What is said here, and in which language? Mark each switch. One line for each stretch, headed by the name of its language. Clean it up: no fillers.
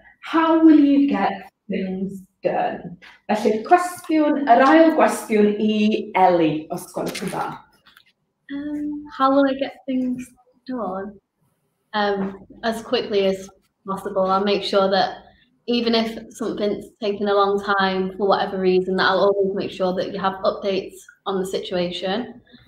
English: How will you get things done?
Welsh: Felly, cwestiwn, yr ail gwestiwn I Ellie, os gwelwch yn dda.
English: How will I get things done? As quickly as possible. I'll make sure that even if something's taken a long time for whatever reason, that I'll always make sure that you have updates on the situation.